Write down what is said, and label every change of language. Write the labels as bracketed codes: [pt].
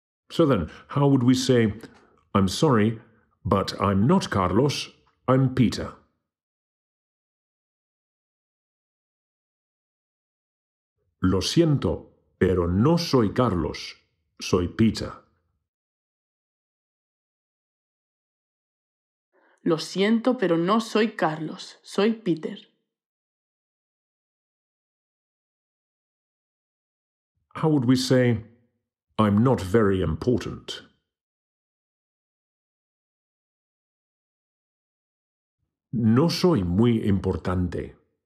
[en] So then, how would we say, I'm sorry, but I'm not Carlos, I'm Peter? [es] Lo siento, pero no soy Carlos, soy Peter. Lo siento, pero no soy Carlos, soy Peter. [en] How would we say, I'm not very important? [es] No soy muy importante.